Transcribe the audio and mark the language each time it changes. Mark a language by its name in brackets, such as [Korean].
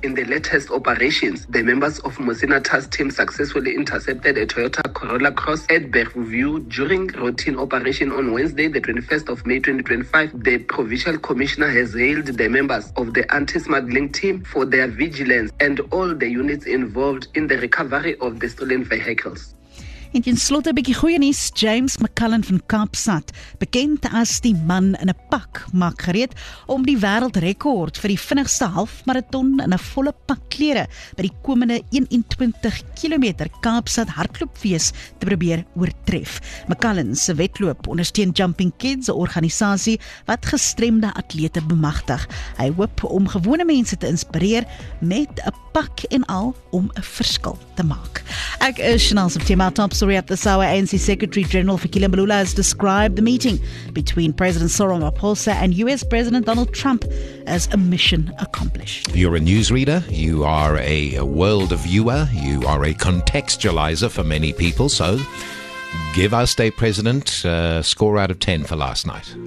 [English] In the latest operations, the members of Musina task team successfully intercepted a Toyota Corolla Cross at Bergview during routine operation on Wednesday, the 21st of May 2025. The provincial commissioner has hailed the members of the anti-smuggling team for their vigilance and all the units involved in the recovery of the stolen vehicles. [Afrikaans] En ten slotte 'n bietjie goeie nuus, James McCullen van Kaapstad, bekend as die man in 'n pak, maak gereed om die wêreldrekord vir die vinnigste halfmaraton in 'n volle pak klere by die komende 21 km Kaapstad hardloopfees te probeer oortref. McCullen se wedloop ondersteun Jumping Kids, 'n organisasie wat gestremde atlete bemagtig. Hy hoop om gewone mense te inspireer met 'n pak en al om 'n verskil te maak. Ek is Chanel Septema. [English] Sorry, at this hour, ANC Secretary General Fikile Mbalula has described the meeting between President Cyril Ramaphosa and US President Donald Trump as a mission accomplished. You're a newsreader, you are a world viewer, you are a contextualizer for many people, so give our state president a score out of 10 for last night.